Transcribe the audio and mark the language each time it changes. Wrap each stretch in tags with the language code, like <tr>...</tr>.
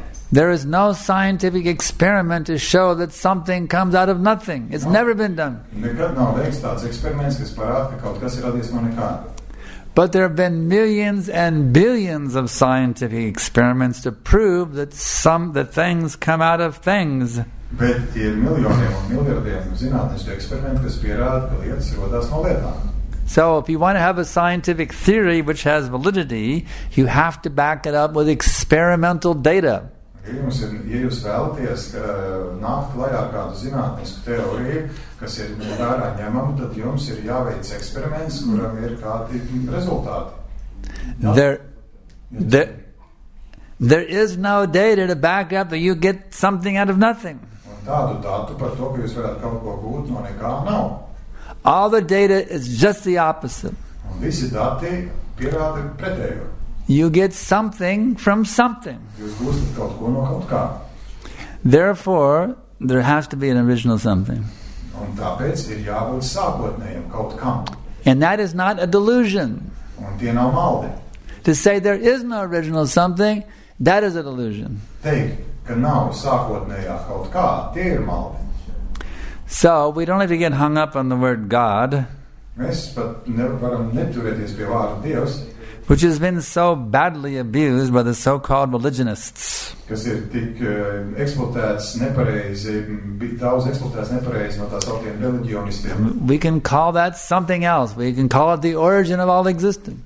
<en>There is no scientific experiment to show that something comes out of nothing. It's never been done. But there have been millions and billions of scientific experiments to prove that that things come out of things.</en> <lv>Bet ir miljoniem un miljardiem zinātnisku eksperimentu, kas pierāda, ka lietas rodas no lietām.</lv> <en>So if you want to have a scientific theory which has validity, you have to back it up with experimental data.</en> <lv>Ja jūs vēlaties nākt klajā kādu zinātnisku teoriju, kas ir vērā ņemama, tad jums ir jāveic eksperiments, kuram ir kādi rezultāti.</lv> <en>There is no data to back up that you get something out of nothing.</en> <lv>Tādu datu par to, ka jūs varat kaut ko būt no nekā nav.</lv> <en>All the data is just the opposite.</en> <lv>Un visi dati pierāda pretējo.</lv> <en>You get something from something.</en> <lv>Jūs gūstat kaut ko no kaut kā.</lv> <en>Therefore, there has to be an original something.</en> <lv>Un tāpēc ir jābūt sākotnējam kaut kam.</lv> <en>And that is not a delusion.</en> <lv>Un tie nav maldi.</lv> <en>To say there is no original something, that is a delusion.</en> <lv>Teikt, ka nav sākotnējā kaut kā, tie ir maldi.</lv> <en>So, we don't have to get hung up on the word God.</en> <lv>Mēs pat nevaram neturēties pie vārda Dievs.</lv> <en>Which has been so badly abused by the so-called religionists.</en> <lv>Kas ir tik eksploatēts nepareizi, daudz eksploatēts nepareizi no tā sauktiem religionistiem.</lv> <en>We can call that something else. We can call it the origin of all existence.</en>